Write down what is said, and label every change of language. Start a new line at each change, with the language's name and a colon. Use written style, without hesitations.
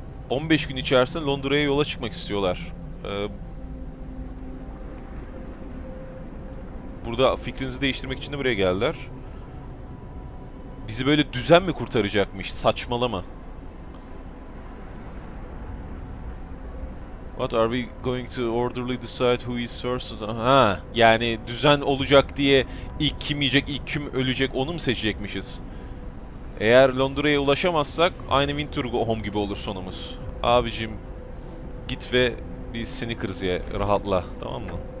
Turkish: 15 gün içerisinde Londra'ya yola çıkmak istiyorlar. Burada fikrinizi değiştirmek için de buraya geldiler. Bizi böyle düzen mi kurtaracakmış? Saçmalama.
English: What are we going to orderly decide who is first?
Turkish: Ha, yani düzen olacak diye ilk kim yiyecek, ilk kim ölecek onu mu seçecekmişiz? Eğer Londra'ya ulaşamazsak aynı Winterhome gibi olur sonumuz. Abicim git ve bir Snickers ye, rahatla, tamam mı?